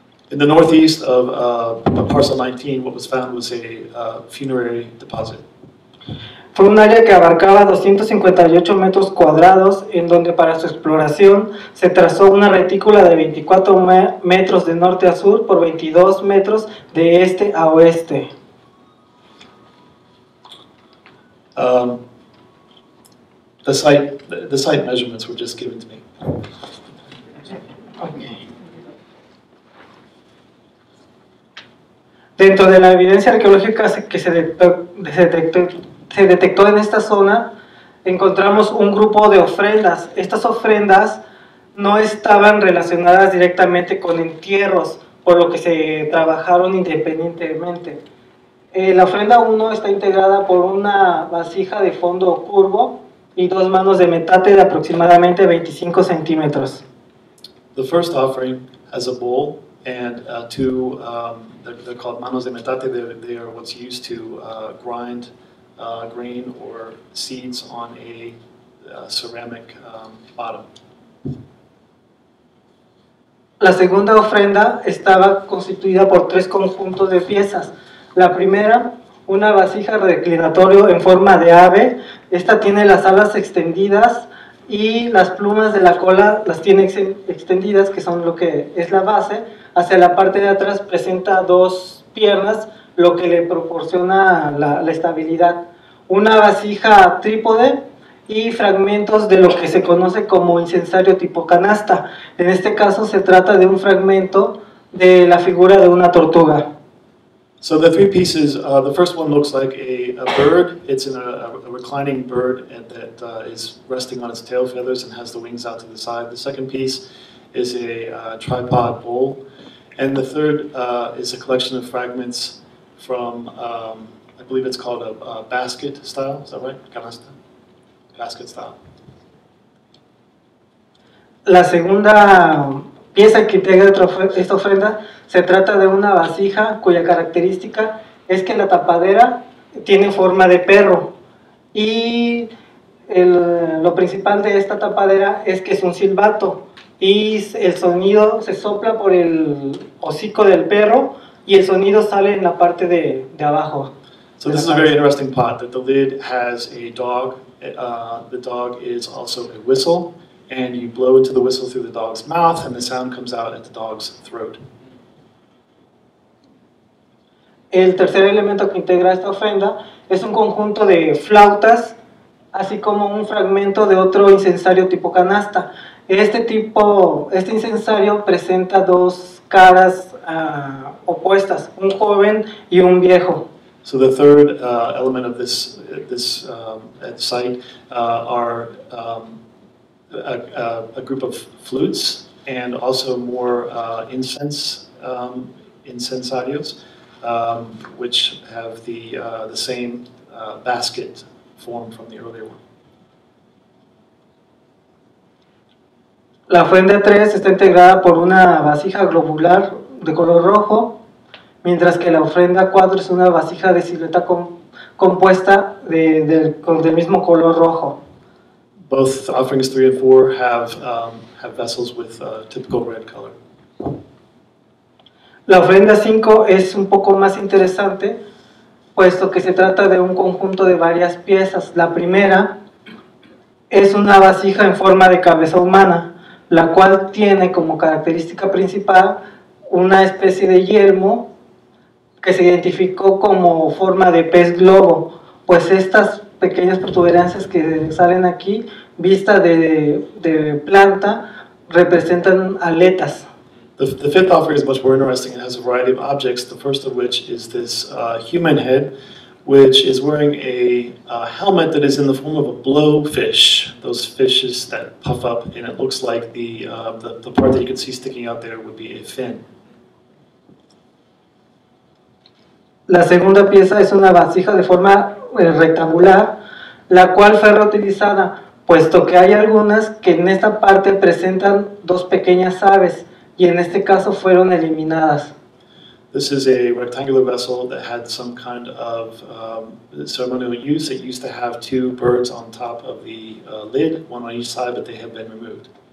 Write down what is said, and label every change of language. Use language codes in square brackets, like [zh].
[en] In the northeast of parcel 19, what was found was a funerary deposit. [es] Fue un área que abarcaba 258 metros cuadrados, en donde para su exploración se trazó una retícula de 24 metros de norte a sur por 22 metros de este a oeste. [en] The site measurements were just given to me. [es] Dentro de la evidencia arqueológica que se detectó en esta zona, encontramos un grupo de ofrendas. Estas ofrendas no estaban relacionadas directamente con entierros, por lo que se trabajaron independientemente. La ofrenda 1 está integrada por una vasija de fondo curvo y dos manos de metate de aproximadamente 25 centímetros. [en] The first offering has a bowl and two, they're called manos de metate, they are what's used to grind grain or seeds on a ceramic bottom. [es] La segunda ofrenda estaba constituida por tres conjuntos de piezas. La primera, una vasija reclinatorio en forma de ave. Esta tiene las alas extendidas y las plumas de la cola las tiene extendidas, que son lo que es la base. Hacia la parte de atrás presenta dos piernas, lo que le proporciona la estabilidad. Una vasija trípode y fragmentos de lo que se conoce como incensario tipo canasta. En este caso se trata de un fragmento de la figura de una tortuga. [en] So the three pieces, the first one looks like a bird. It's in a reclining bird that is resting on its tail feathers and has the wings out to the side. The second piece is a tripod bowl. And the third is a collection of fragments from, I believe it's called a basket style, is that right? Canasta? Basket style. [es] La segunda pieza que integra esta ofrenda se trata de una vasija cuya característica es que la tapadera tiene forma de perro. Y lo principal de esta tapadera es que es un silbato. Y el sonido se sopla por el hocico del perro y el sonido sale en la parte de abajo. [en] So this is a very interesting pot, that the lid has a dog. The dog is also a whistle, and you blow into the whistle through the dog's mouth and the sound comes out at the dog's throat. [es] El tercer elemento que integra esta ofrenda es un conjunto de flautas, así como un fragmento de otro incensario tipo canasta. Este incensario presenta dos caras opuestas, un joven y un viejo. [en] So the third element of this site are a group of flutes and also more incensarios, which have the same basket form from the earlier one. [es] La ofrenda 3 está integrada por una vasija globular de color rojo, mientras que la ofrenda 4 es una vasija de silueta compuesta del mismo color rojo. [en] Both offerings 3 and 4 have vessels with a typical red color. [es] La ofrenda 5 es un poco más interesante, puesto que se trata de un conjunto de varias piezas. La primera es una vasija en forma de cabeza humana, la cual tiene como característica principal una especie de yelmo que se identificó como forma de pez globo, pues estas pequeñas protuberancias que salen aquí, vista de planta, representan aletas. [en] The fifth offering is much more interesting. It has a variety of objects, the first of which is this human head, which is wearing a helmet that is in the form of a blowfish. Those fishes that puff up, and it looks like the part that you can see sticking out there would be a fin. [es] La segunda pieza es una vasija de forma rectangular, la cual fue reutilizada, puesto que hay algunas que en esta parte presentan dos pequeñas aves, y en este caso fueron eliminadas. [en] This is a rectangular vessel that had some kind of ceremonial use. It used to have two birds on top of the lid, one on each side, but they have been removed.